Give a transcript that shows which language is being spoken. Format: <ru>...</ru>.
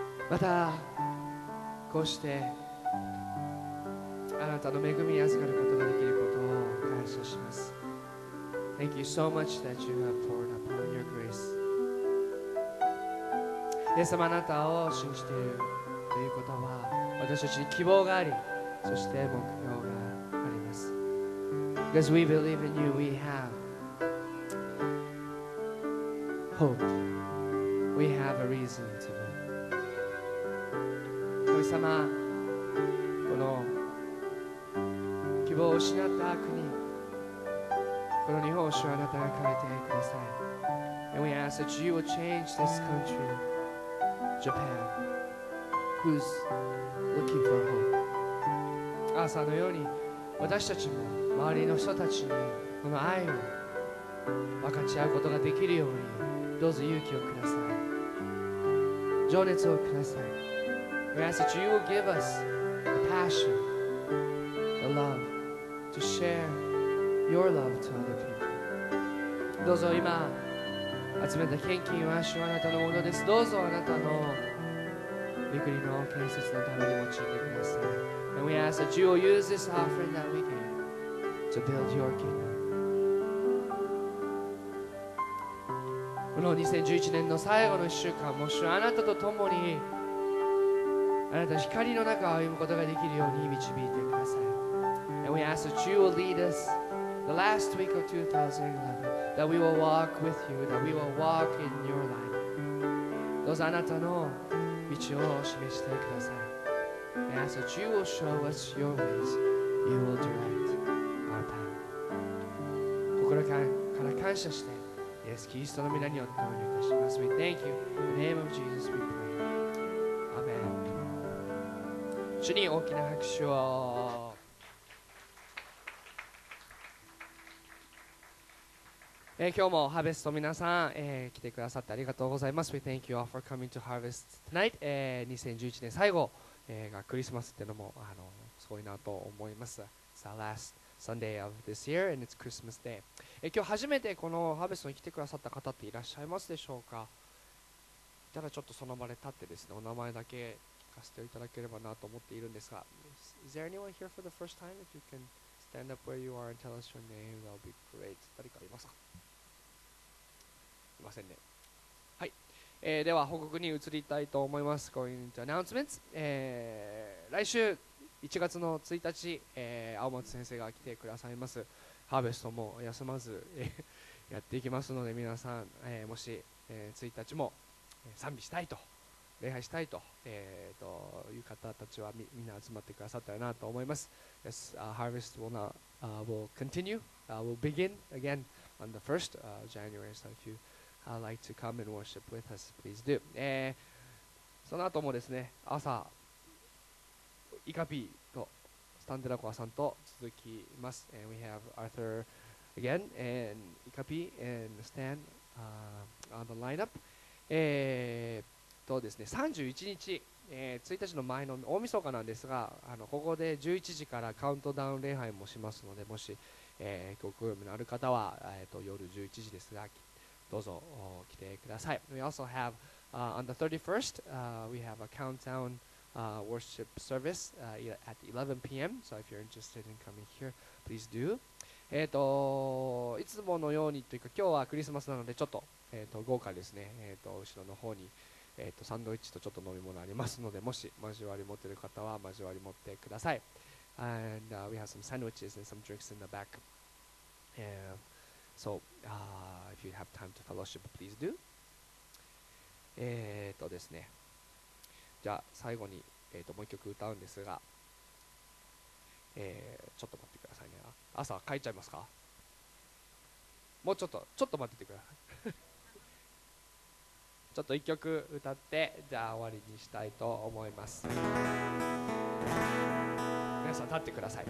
<ja>またこうしてあなたの恵みに預かることができることを感謝します。</ja> <en>Thank you so much that you have poured upon your grace.</en> <ja>イエス様、あなたを信じているということは私たちに希望があり、そして目標があります。</ja> <en>Because we believe in you, we haveHope. We have a reason to live.</en> <ja>神様、この希望を失った国、この日本を主はあなたが変えてください。</ja> <en>And we ask that you will change this country, Japan, who's looking for hope.</en> <ja>朝のように私たちも周りの人たちにこの愛を分かち合うことができるように、どうぞ勇気をください、情熱をください。</ja> <en>We ask that you will give us the passion, the love to share your love to other people.</en> <ja>どうぞ今集めた献金は主はあなたのものです。どうぞあなたの御国の建設のために用いてください。</ja> <en>And we ask that you will use this offering that we gave to build your kingdom.</en> <ja>この2011年の最後の1週間も、主はあなたと共に、あなたの光の中を歩むことができるように導いてください。</ja> <en>And we ask that you will lead us the last week of 2011, that we will walk with you, that we will walk in your light.</en> <ja>どうぞあなたの道を示してください。</ja> <en>We ask that you will show us your ways, you will direct our path.</en> <ja>心から感謝して、イエス・キリストの皆によってお祈りいたします。</ja> <en>We thank you. In the name of Jesus we pray.</en> <ja>Amen. 主に大きな拍手を。今日もハーベスト皆さん、来てくださってありがとうございます。</ja> <en>We thank you all for coming to Harvest tonight.</en> <ja>2011年最後、がクリスマスっていうのもすごいなと思います。</ja> <en>It's our lastSunday of this year and it's Christmas Day.</en> <ja>今日初めてこのハーベストに来てくださった方っていらっしゃいますでしょうか。ただちょっとその場で立ってですね、お名前だけ聞かせていただければなと思っているんですが、</ja> <en>Is there anyone here for the first time? If you can stand up where you are and tell us your name, that would be great.</en> <ja>誰かいますか。いませんね。はい、では報告に移りたいと思います。</ja> <en>Going into announcements、</en> <ja>来週1月の1日、青松先生が来てくださいます。ハーベストも休まず、やっていきますので、皆さん、もし、1日も、賛美したいと礼拝したいと、いう方たちは みんな集まってくださったらなと思います。</ja> <en>Yes, Harvest will not, will continue, will begin again on the 1st January. So if you like to come and worship with us, please do.</en> <ja>その後もですね、朝イカピーとスタンデラコアさんと続きます。</ja> <en>And we have Arthur again and</en> <ja>イカピー and Stan、</ja> <en>on the lineup、</en> <ja>ですね、31日、1日の前の大晦日なんですが、ここで11時からカウントダウン礼拝もしますので、もし、ご興味のある方は、夜11時ですが、どうぞ来てください。</ja> <en>We also have、on the 31st、we have a countdownworship service at 11 p.m. So if you're interested in coming here, please do.</en> <ja>いつものようにというか、今日はクリスマスなのでちょっと、豪華ですね。後ろの方に、サンドイッチとちょっと飲み物ありますので、もし交わり持っている方は交わり持ってください。</ja> <en>And we have some sandwiches and some drinks in the back. So if you have time to fellowship, please do.</en> <ja>ですね。じゃあ最後に、もう一曲歌うんですが、ちょっと待ってくださいね。朝は帰っちゃいますか。もうちょっと待っててくださいちょっと一曲歌って、じゃあ終わりにしたいと思います。皆さん立ってください。</ja>